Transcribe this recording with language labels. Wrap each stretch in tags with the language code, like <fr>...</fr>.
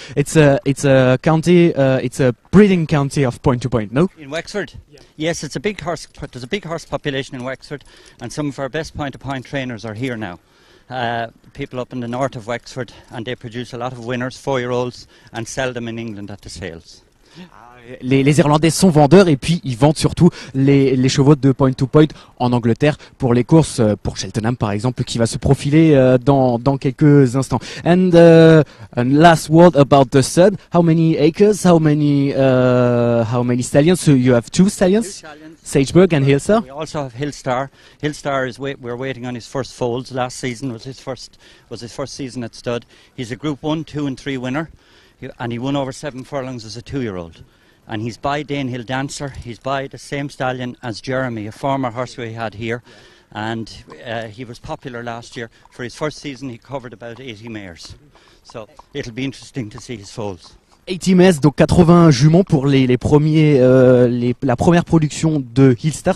<en>It's a county, it's a breeding county of point-to-point, no? In Wexford? Yeah. Yes, it's a big horse, there's a big horse population in Wexford, and some of our best point-to-point trainers are here now. People up in the north of Wexford, and they produce a lot of winners, four-year-olds, and sell them in England at the sales.</en> <fr>Les Irlandais sont vendeurs et puis ils vendent surtout les chevaux de point to point en Angleterre pour les courses pour Cheltenham par exemple qui va se profiler dans quelques instants.</fr> <en>And last word about the stud. How many acres? How many stallions? So you have two stallions? Two stallions. Sedgburg and Hillstar. We also have Hillstar. Hillstar is we're waiting on his first foals. Last season was his first season at stud. He's a Group 1, 2 and 3 winner. And he won over 7 furlongs as a two-year-old. And he's by Dane Hill Dancer. He's by the same stallion as Jeremy, a former horse we had here. And he was popular last year. For his first season, he covered about 80 mares. So it'll be interesting to see his foals. 80 mares,</en> <fr>donc 80 juments pour les premiers, la première production de Hillstar.</fr>